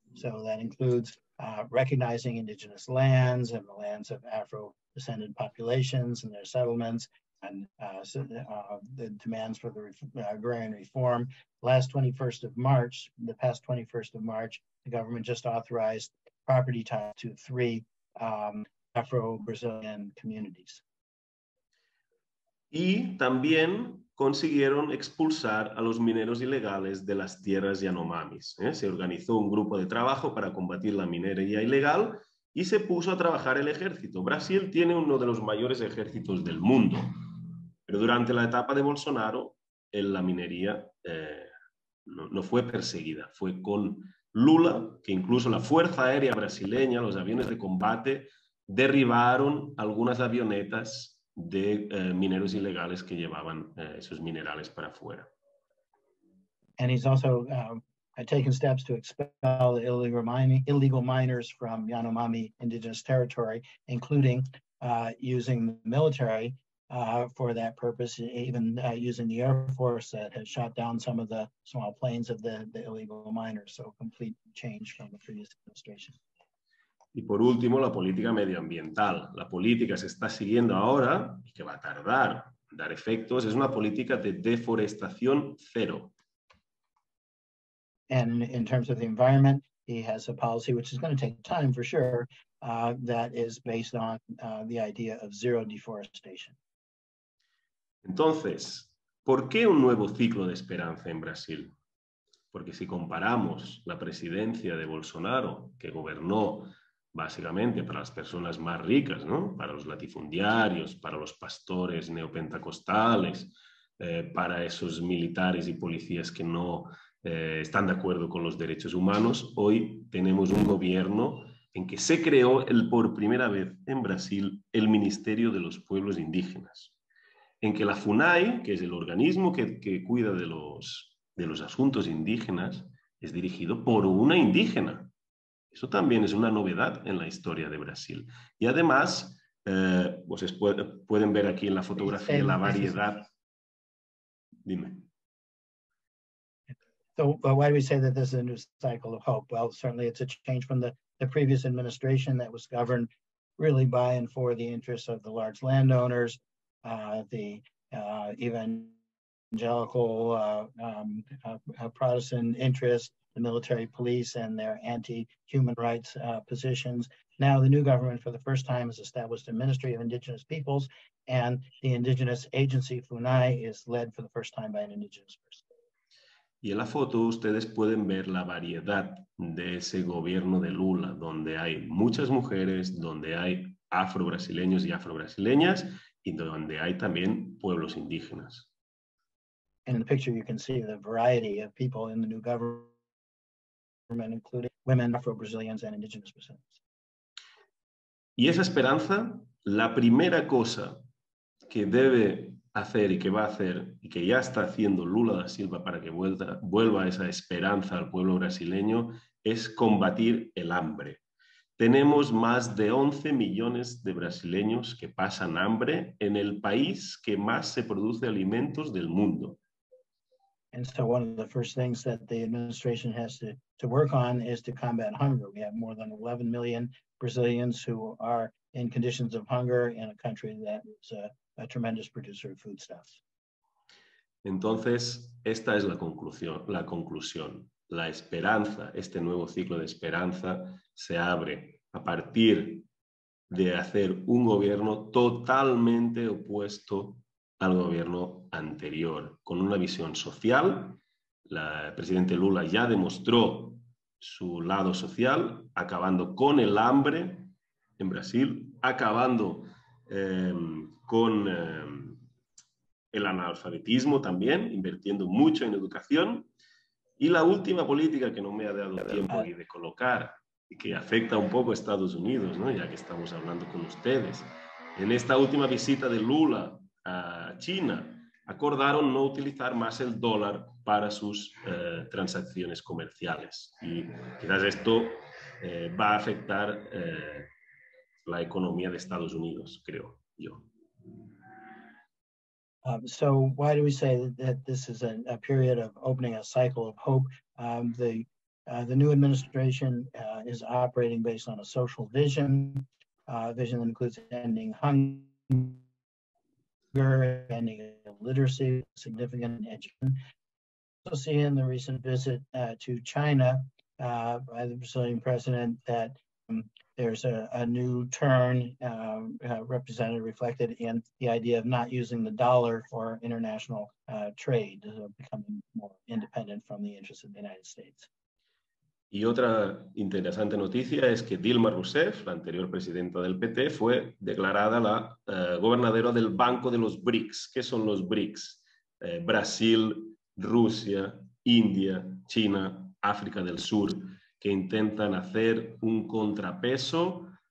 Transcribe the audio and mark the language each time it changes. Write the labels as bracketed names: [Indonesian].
[English] So that includes recognizing indigenous lands and the lands of Afro-descended populations and their settlements, and the demands for the agrarian reform. Last 21st of March, the past 21st of March, the government just authorized property title to 3 Afro-Brazilian communities. [Spanish] Y también consiguieron expulsar a los mineros ilegales de las tierras Yanomamis. Se organizó un grupo de trabajo para combatir la minería ilegal y se puso a trabajar el ejército. Brasil tiene uno de los mayores ejércitos del mundo, pero durante la etapa de Bolsonaro, la minería no fue perseguida. Fue con Lula que incluso la Fuerza Aérea Brasileña, los aviones de combate, derribaron algunas avionetas de mineros ilegales que llevaban esos minerales para afuera. [English] And he's also taken steps to expel the illegal miners from Yanomami indigenous territory, including using the military for that purpose, even using the Air Force that has shot down some of the small planes of the illegal miners. So complete change from the previous administration. [Spanish] Y por último, la política medioambiental. La política se está siguiendo ahora y que va a tardar en dar efectos. Es una política de deforestación cero. [English] And in terms of the environment, he has a policy which is going to take time for sure, that is based on the idea of zero deforestation. [Spanish] Entonces, ¿por qué un nuevo ciclo de esperanza en Brasil? Porque si comparamos la presidencia de Bolsonaro, que gobernó básicamente para las personas más ricas, ¿no? Para los latifundiarios, para los pastores neopentecostales, para esos militares y policías que no están de acuerdo con los derechos humanos, hoy tenemos un gobierno en que se creó por primera vez en Brasil el Ministerio de los Pueblos Indígenas, en que la FUNAI, que es el organismo que cuida de los asuntos indígenas, es dirigido por una indígena. Eso también es una novedad en la historia de Brasil. Y además, pueden ver aquí en la fotografía la variedad. Dime. [English] So, why do we say that this is a new cycle of hope? Well, certainly it's a change from the previous administration that was governed really by and for the interests of the large landowners, the evangelical Protestant interests, the military police and their anti-human rights positions. Now the new government for the first time has established a Ministry of Indigenous Peoples and the indigenous agency FUNAI is led for the first time by an indigenous person. [Spanish] Y en la foto ustedes pueden ver la variedad de ese gobierno de Lula, donde hay muchas mujeres, donde hay afro-brasileños y afro-brasileñas, y donde hay también pueblos indígenas. [English] In the picture you can see the variety of people in the new government, including women, Afro-Brazilians, and indigenous Brazilians. [Spanish] Y esa esperanza, la primera cosa que debe hacer y que va a hacer y que ya está haciendo Lula da Silva para que vuelva esa esperanza al pueblo brasileño es combatir el hambre. Tenemos más de 11 millones de brasileños que pasan hambre en el país que más se produce alimentos del mundo. [English] And so one of the first things that the administration has to work on is to combat hunger. We have more than 11 million Brazilians who are in conditions of hunger in a country that is a tremendous producer of foodstuffs. [Spanish] Entonces, esta es la conclusión. La esperanza, este nuevo ciclo de esperanza, se abre a partir de hacer un gobierno totalmente opuesto al gobierno anterior, con una visión social. El presidente Lula ya demostró su lado social, acabando con el hambre en Brasil, acabando con el analfabetismo también, invirtiendo mucho en educación. Y la última política que no me ha dado tiempo de colocar y que afecta un poco a Estados Unidos, ¿no? Ya que estamos hablando con ustedes, en esta última visita de Lula a China, acordaron no utilizar más el dólar para sus transacciones comerciales. Y quizás esto va a afectar la economía de Estados Unidos, creo yo. [English] So why do we say that this is a period of opening a cycle of hope? The new administration is operating based on a social vision, a vision that includes ending hunger, and literacy, significant education. Also, see in the recent visit to China by the Brazilian president that there's a new turn represented, reflected in the idea of not using the dollar for international trade, becoming more independent from the interests of the United States. [Spanish] Y otra interesante noticia es que Dilma Rousseff, la anterior presidenta del PT, fue declarada la gobernadora del Banco de los BRICS. ¿Qué son los BRICS? Brasil, Rusia, India, China, África del Sur, que intentan hacer un contrapeso